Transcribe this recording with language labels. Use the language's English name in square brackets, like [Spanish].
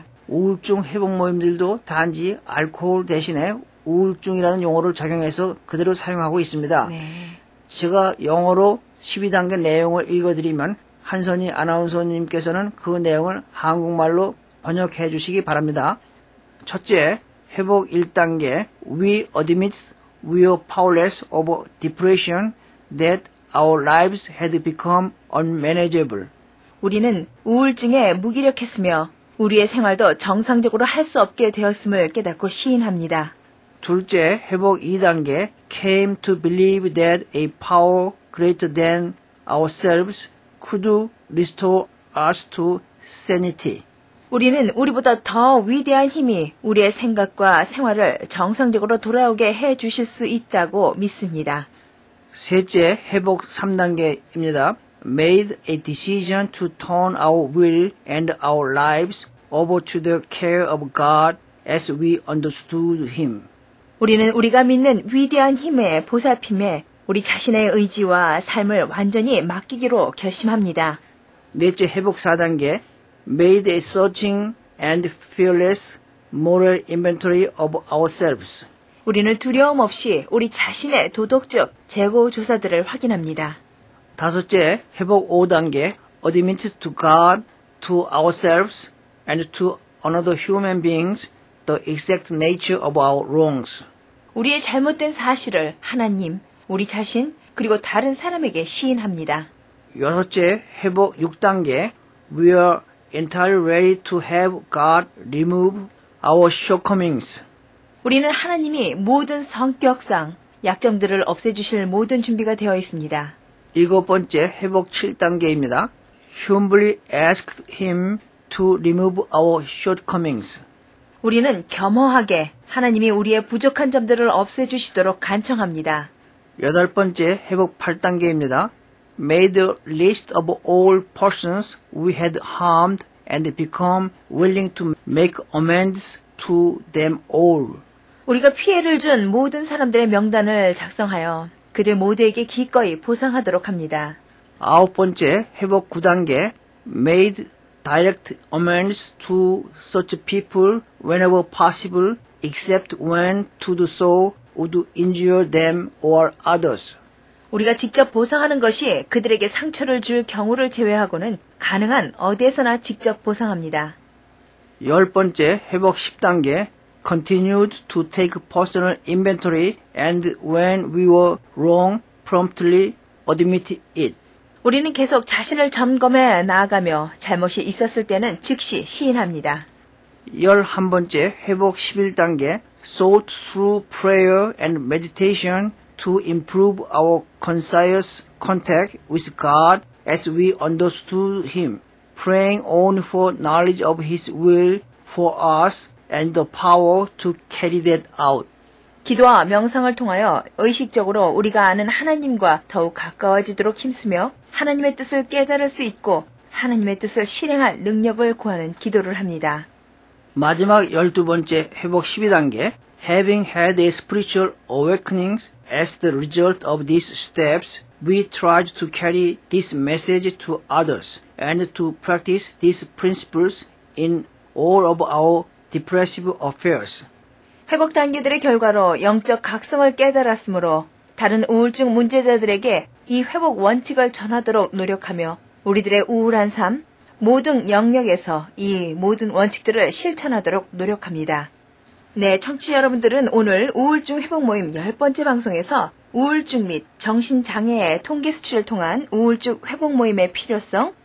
[Korean] 우울증 회복 모임들도 단지 알코올 대신에 우울증이라는 용어를 적용해서 그대로 사용하고 있습니다. 네. 제가 영어로 12단계 내용을 읽어드리면 한선희 아나운서님께서는 그 내용을 한국말로 번역해 주시기 바랍니다. 첫째, 회복 1단계, [English] We admit we are powerless over depression that our lives had become unmanageable. [Korean] 우리는 우울증에 무기력했으며 우리의 생활도 정상적으로 할 수 없게 되었음을 깨닫고 시인합니다. 둘째, 회복 2단계, [English] came to believe that a power greater than ourselves could restore us to sanity. [Korean] 우리는 우리보다 더 위대한 힘이 우리의 생각과 생활을 정상적으로 돌아오게 해 주실 수 있다고 믿습니다. 셋째, 회복 3단계입니다. [English] Made a decision to turn our will and our lives over to the care of God as we understood him. [Korean] 우리는 우리가 믿는 위대한 힘의 보살핌에 우리 자신의 의지와 삶을 완전히 맡기기로 결심합니다. 넷째, 회복 4단계. [English] Made a searching and fearless moral inventory of ourselves. [Korean] 우리는 두려움 없이 우리 자신의 도덕적 재고 조사들을 확인합니다. 다섯째, 회복 5단계. [English] Admit to God, to ourselves, and to another human beings the exact nature of our wrongs. [Korean] 우리의 잘못된 사실을 하나님, 우리 자신, 그리고 다른 사람에게 시인합니다. 여섯째, 회복 6단계. [English] We are entirely ready to have God remove our shortcomings. [Korean] 우리는 하나님이 모든 성격상 약점들을 없애주실 모든 준비가 되어 있습니다. 일곱 번째, 회복 7단계입니다. [English] Humbly asked him to remove our shortcomings. [Korean] 우리는 겸허하게 하나님이 우리의 부족한 점들을 없애주시도록 간청합니다. 여덟 번째, 회복 8단계입니다. [English] Made a list of all persons we had harmed and become willing to make amends to them all. [Korean] 우리가 피해를 준 모든 사람들의 명단을 작성하여 그들 모두에게 기꺼이 보상하도록 합니다. 아홉 번째, 회복 9단계. [English] Made direct amends to such people whenever possible, except when to do so would injure them or others. [Korean] 우리가 직접 보상하는 것이 그들에게 상처를 줄 경우를 제외하고는 가능한 어디에서나 직접 보상합니다. 열 번째, 회복 10단계. [English] Continued to take personal inventory and when we were wrong, promptly admit it. [Korean] 우리는 계속 자신을 점검해 나아가며 잘못이 있었을 때는 즉시 시인합니다. 열한 번째, 회복 11단계. [English] Sought through prayer and meditation to improve our conscious contact with God as we understood him, praying on for knowledge of his will for us and the power to carry that out. [Korean] 기도와 명상을 통하여 의식적으로 우리가 아는 하나님과 더욱 가까워지도록 힘쓰며 하나님의 뜻을 깨달을 수 있고 하나님의 뜻을 실행할 능력을 구하는 기도를 합니다. 마지막 12번째, 회복 12단계. [English] Having had a spiritual awakening as the result of these steps, we tried to carry this message to others and to practice these principles in all of our depressive affairs. [Korean] 회복 단계들의 결과로 영적 각성을 깨달았으므로 다른 우울증 문제자들에게 이 회복 원칙을 전하도록 노력하며 우리들의 우울한 삶, 모든 영역에서 이 모든 원칙들을 실천하도록 노력합니다. 네, 청취자 여러분들은 오늘 우울증 회복 모임 10번째 방송에서 우울증 및 정신장애의 통계 수치를 통한 우울증 회복 모임의 필요성,